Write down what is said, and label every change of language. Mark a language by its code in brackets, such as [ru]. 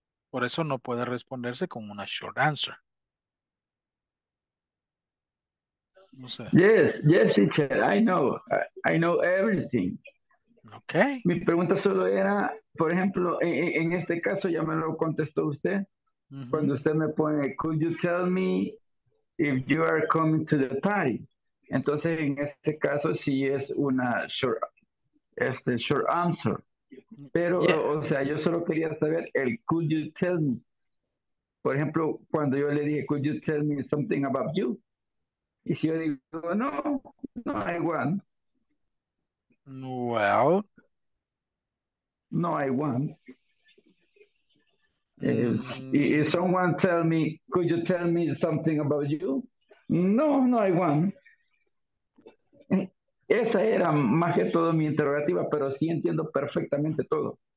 [es] Por eso no puede responderse con una short answer. No sé. [en] Yes, yes, teacher. I know everything. Okay. [es] Mi pregunta solo era, por ejemplo, en este caso ya me lo contestó usted. Mm-hmm. Cuando usted me pone, [en] could you tell me if you are coming to the party? [es] Entonces, en este caso, sí es una short answer. Pero, yeah. O sea, yo solo quería saber el [en] could you tell me. [es] Por ejemplo, cuando yo le dije, [en] could you tell me something about you? [es] Y si yo digo, no, [en] I want. Well, no, I want. If someone tell me, could you tell me something about you? No, I won. [es] Esa era más que todo mi interrogativa, pero sí entiendo perfectamente todo.